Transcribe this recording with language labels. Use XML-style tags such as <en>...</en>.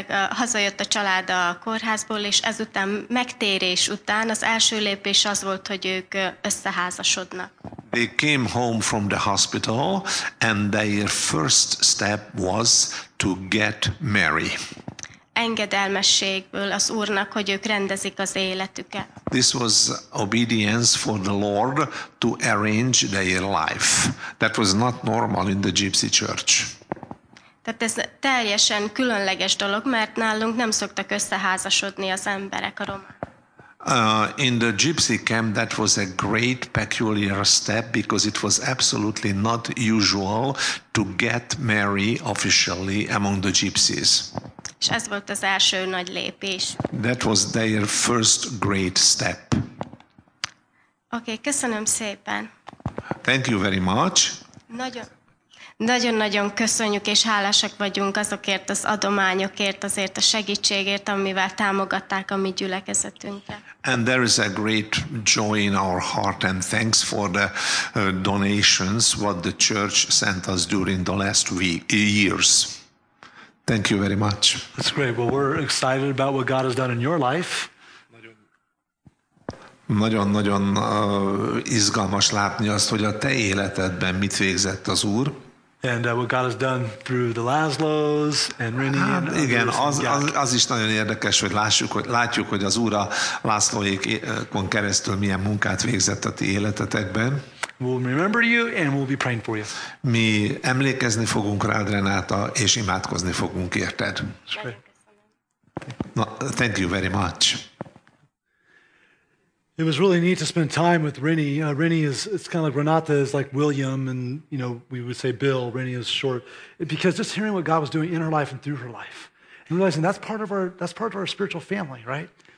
<hu>Hazajött a család a kórházból, és ezután megtérés után az első lépés az volt, hogy ők összeházasodnak.</hu> <en>They came home from the hospital, and their first step was to get married.</en> <hu>Engedelmességből az Úrnak, hogy ők rendezik az életüket.</hu> <en>This was obedience for the Lord to arrange their life. That was not normal in the Gypsy Church.</en> <hu>Tehát ez teljesen különleges dolog, mert nálunk nem szoktak összeházasodni az emberek a romák.</hu> <en>In the Gypsy camp, that was a great peculiar step because it was absolutely not usual to get married officially among the Gypsies.</en> <hu>És ez volt az első nagy lépés.</hu> <en>That was their first great step. Okay,</en> <hu>köszönöm szépen.</hu> <en>Thank you very much.</en> <hu>Nagyon-nagyon köszönjük és hálásak vagyunk azokért az adományokért, azért a segítségért, amivel támogatták a mi gyülekezetünket.</hu> <en>And there is a great joy in our heart and thanks for the donations what the church sent us during the last years. Thank you very much. That's great. Well, we're excited about what God has done in your life.</en> <hu>Nagyon-nagyon izgalmas látni azt, hogy a te életedben mit végzett az Úr.</hu> <en>And what God has done through the Lászlós and Rini.</en> <hu>Hát, igen, az is nagyon érdekes, hogy látjuk, hogy az Úr a Lászlóékon keresztül milyen munkát végzett a ti életetekben.</hu> <en>We'll remember you and we'll be praying for you.</en> <hu>Mi emlékezni fogunk rád, Renáta, és imádkozni fogunk érted.</hu> <en>No, thank you very much. It was really neat to spend time with Rini. Rini is, it's kind of like Renata is like William, and you know, we would say Bill. Rini is short. Because just hearing what God was doing in her life and through her life, and realizing that's part of our spiritual family, right?</en>